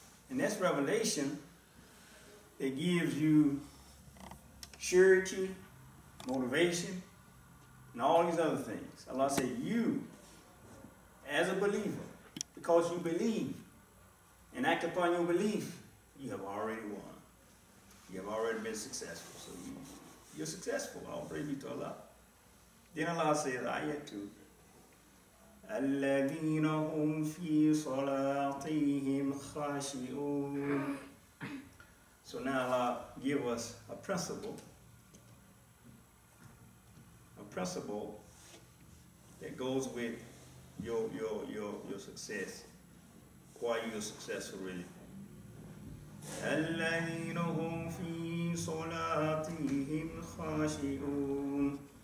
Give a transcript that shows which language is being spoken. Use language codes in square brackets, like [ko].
[en] And that's revelation that gives you surety, motivation, and all these other things. Allah said, you, as a believer, because you believe and act upon your belief, you have already won. You have already been successful. So you're successful. I'll praise you to Allah. Then Allah says, ayat 2, [ar] الَّذِينَ هُمْ فِي صَلَاتِهِمْ خَاشِئُونَ. [en] So now Allah give us a principle that goes with your success. Why you successful, really. [ar] الَّذِينَ هُمْ فِي صَلَاتِهِمْ خَاشِئُونَ.